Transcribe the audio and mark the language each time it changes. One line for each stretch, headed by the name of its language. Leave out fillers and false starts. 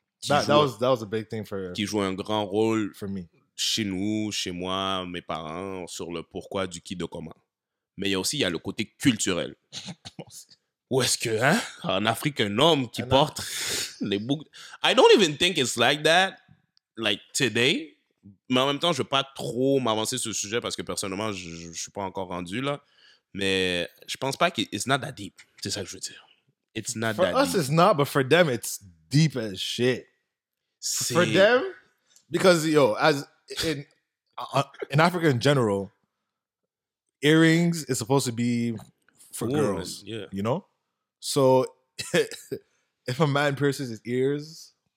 English: Yeah. That was a big thing for...
French: Qui joue un grand rôle
English: for me.
French: Chez nous, chez moi, mes parents, sur le pourquoi, du qui, de comment. Mais il y a aussi le côté culturel. Où est-ce que, hein? En Afrique, un homme qui porte les boucles...
English: I don't even think it's like that, like today.
French: Mais en même temps, je ne veux pas trop m'avancer sur le sujet parce que personnellement, je ne suis pas encore rendu là. Mais je pense pas que
English: it's not that deep.
French: C'est ça que je veux dire.
English: It's not for that us, deep. It's not, but for them, it's deep as shit.
French: C'est...
English: For them, because yo, as in in Africa in general, earrings is supposed to be for ooh, girls. Yeah. You know? So if a man pierces his ears,